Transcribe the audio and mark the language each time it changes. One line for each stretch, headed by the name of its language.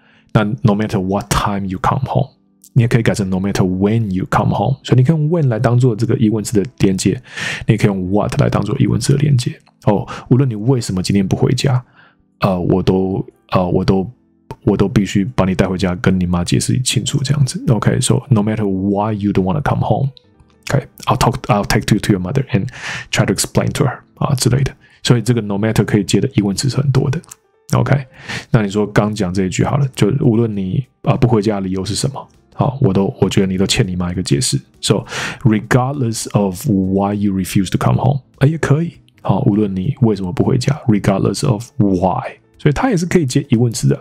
English: 那 no matter what time you come home，
Chinese: 你也可以改成
English: no matter when you come home。
Chinese: 所以你可以用 when 来当做这个疑问词的连接，你也可以用 what 来当做疑问词的连接。哦，无论你为什么今天不回家，我都必须把你带回家，跟你妈解释清楚这样子。
English: OK， so no matter why you don't want to come home， OK， I'll take you to your mother and try to explain to her
Chinese: 啊之类的。所以这个 no matter 可以接的疑问词是很多的。 OK， 那你说刚讲这一句好了，就无论你不回家的理由是什么，好，我觉得你都欠你妈一个解释。
English: So regardless of why you refuse to come home，
Chinese: 也可以。好，无论你为什么不回家 ，
English: regardless of why，
Chinese: 所以它也是可以接疑问词的。